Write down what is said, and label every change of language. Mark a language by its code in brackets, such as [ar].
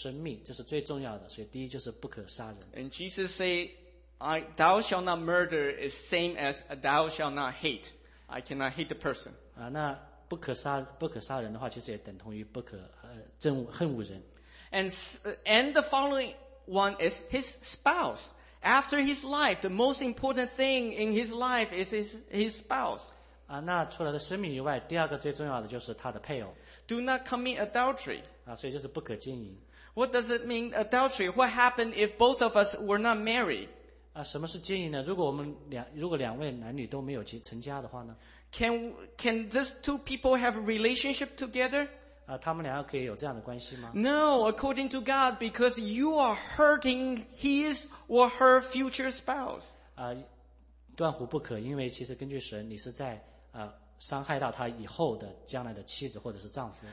[zh] 所以第一个的话就是我们要尊敬人家的生命，这是最重要的。所以第一就是不可杀人。 [en] And Jesus said, "Thou shalt not murder" is same as "Thou shalt not hate." I cannot hate the person. [zh] 那不可杀人的话，其实也等同于不可憎恨人。 [en] And the following one is his spouse. After his life, the most important thing in his life is his spouse. [zh] 那除了生命以外，第二个最重要的就是他的配偶。 [en] Do not commit adultery. [zh] 所以就是不可奸淫。 [en] What does it mean, adultery? What happened if both of us were not married? [zh] 什么是奸淫呢? 如果两位男女都没有成家的话呢? [en] Can these two people have a relationship together? [zh] 他们两个可以有这样的关系吗? [en] No, according to God, because you are hurting his or her future spouse. [zh] 断乎不可，因为其实根据神，你是在 伤害到他以后的将来的妻子或者是丈夫。